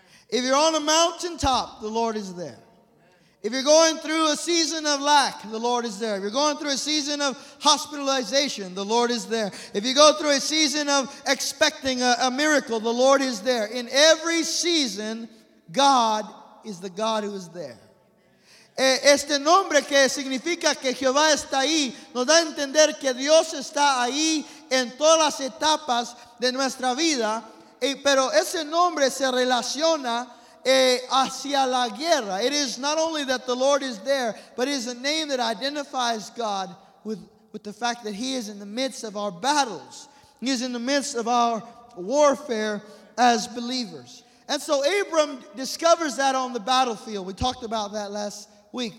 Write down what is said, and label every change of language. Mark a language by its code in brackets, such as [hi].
[en] If you're on a mountaintop, the Lord is there. If you're going through a season of lack, the Lord is there. If you're going through a season of hospitalization, the Lord is there. If you go through a season of expecting a miracle, the Lord is there. In every season, God is the God who is there. [es] Este nombre que significa que Jehová está ahí, nos da a entender que Dios está ahí en todas las etapas de nuestra vida. Pero ese nombre se relaciona hacia la guerra. [en] It is not only that the Lord is there, but it is a name that identifies God with the fact that he is in the midst of our battles. He is in the midst of our warfare as believers. And so Abram discovers that on the battlefield. We talked about that last week.